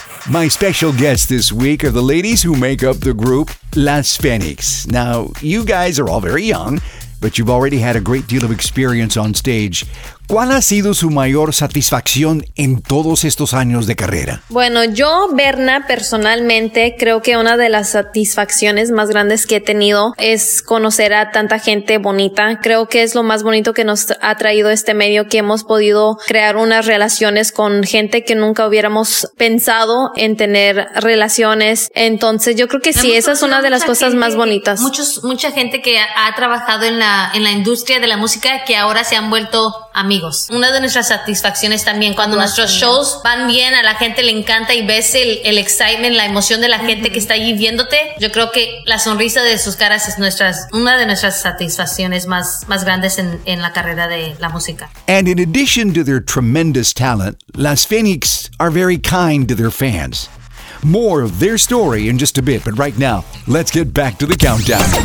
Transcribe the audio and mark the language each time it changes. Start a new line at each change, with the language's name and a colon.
English: My special guests this week are the ladies who make up the group Las Fénix. Now, you guys are all very young, but you've already had a great deal of experience on stage.
Spanish: ¿Cuál ha sido su mayor satisfacción en todos estos años de carrera? Bueno, yo, Berna, personalmente, creo que una de las satisfacciones más grandes que he tenido es conocer a tanta gente bonita. Creo que es lo más bonito que nos ha traído este medio, que hemos podido crear unas relaciones con gente que nunca hubiéramos pensado en tener relaciones. Entonces, yo creo que sí, esa es una de las cosas más bonitas. Mucha gente que ha trabajado en la industria de la música que ahora se han vuelto amigos. Una de nuestras satisfacciones también cuando nuestros shows van bien, a la gente le encanta y ves el excitement, la emoción de la gente que está allí viéndote. Yo creo que la sonrisa de sus caras es una de nuestras satisfacciones más grandes en la carrera de la música.
English: And in addition to their tremendous talent, Las Fénix are very kind to their fans. More of their story in just a bit, but right now, let's get back to the countdown.